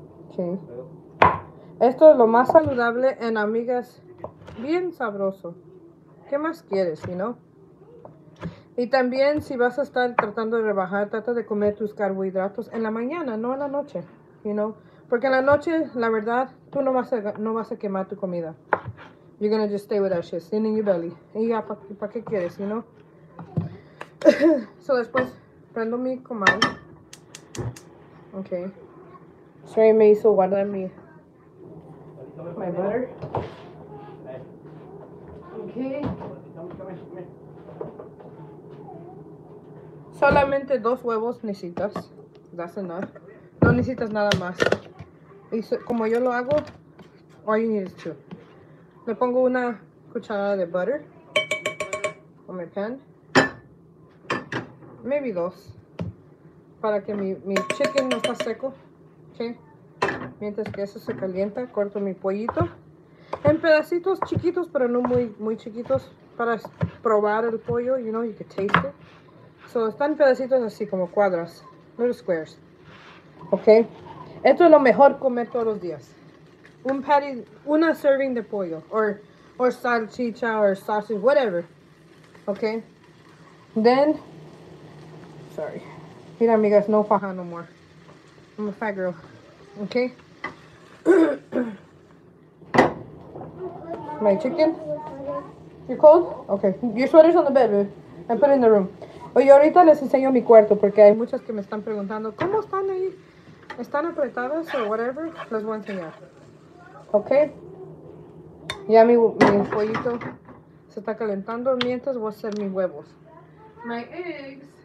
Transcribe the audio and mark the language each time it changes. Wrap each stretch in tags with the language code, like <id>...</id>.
<es>Okay, esto es lo más saludable en amigas, bien sabroso. ¿Qué más quieres,</es> <en>you know?</en> <es>Y también si vas a estar tratando de rebajar, trata de comer tus carbohidratos en la mañana, no en la noche, you know. Porque en la noche, la verdad, tú no vas a quemar tu comida.</es> <en>You're gonna just stay with that shit, sitting in your belly.</en> <es>Y ya, ¿pa qué quieres,</es> <en>you know?</en> <es>So después, prendo mi comal. Okay. Trey me hizo guardar mi...</es> <en>my butter. Okay.</en> <es>Solamente dos huevos necesitas.</es> <en>That's enough.</en> <es>No necesitas nada más. Y como yo lo hago,</es> <en>all you need is two.</en> <es>Le pongo una cucharada de butter</es> <en>on my pan. Maybe</en> <es>dos. Para que mi chicken no está seco. Okay. Mientras que eso se calienta, corto mi pollito. En pedacitos chiquitos, pero no muy, muy chiquitos. Para probar el pollo,</es> <en>you know, you can taste it.</en> <es>So, están pedacitos así, como cuadras.</es> <en>Little squares.</en> <es>Okay. Esto es lo mejor comer todos los días. Un patty, una serving de pollo. Or salchicha,</es> <en>or sausage, whatever.</en> <es>Okay?</es> <en>Then, sorry.</en> <es>Mira, amigas, no faja</es> <en>no more. I'm a fat girl. Okay? My chicken? You're cold? Okay. Your sweater's on the bed, babe. I put it in the room.</en> <es>Oye, ahorita les enseño mi cuarto porque hay muchas que me están preguntando, ¿cómo están ahí? ¿Están apretadas o</es> <en>whatever?</en> <es>Les voy a enseñar. Ok. Ya mi pollito se está calentando. Mientras voy a hacer mis huevos.</es> <en>My eggs.</en>